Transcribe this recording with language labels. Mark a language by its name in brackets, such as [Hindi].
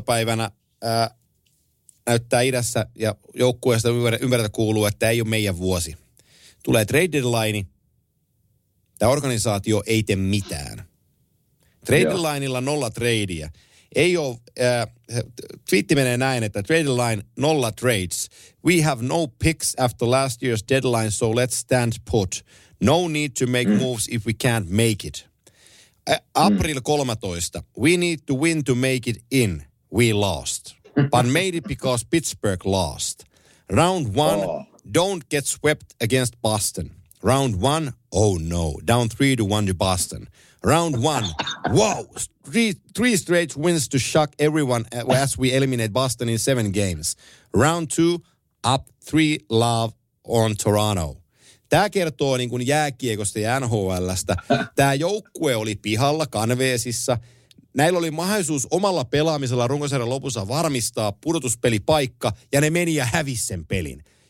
[Finnish] päivänä näyttää idässä ja joukkueesta ympärillä kuuluu, että ei ole meidän vuosi. Tulee trade deadline, tämä organisaatio ei tee mitään. Trade deadlinella nolla tradeja. Ei ole, twiitti menee näin, että trade line, nolla trades. [English] We have no picks after last year's deadline, so let's stand put. No need to make moves if we can't make it. April 13. We need to win to make it in. We lost. But made it because Pittsburgh lost. Round one, don't get swept against Boston. Round one, oh no, down 3-1 to Boston. Round one, wow, three straight wins to shock everyone as we eliminate Boston in 7 games. Round two, up 3 love on Toronto. [Finnish] Tämä kertoo niin kuin jääkiekosta ja NHL:stä. Tämä joukkue oli pihalla kanveesissa. Näillä oli mahdollisuus omalla pelaamisella runkosarjan lopussa varmistaa pudotuspelipaikka, ja ne meni ja hävisi sen pelin.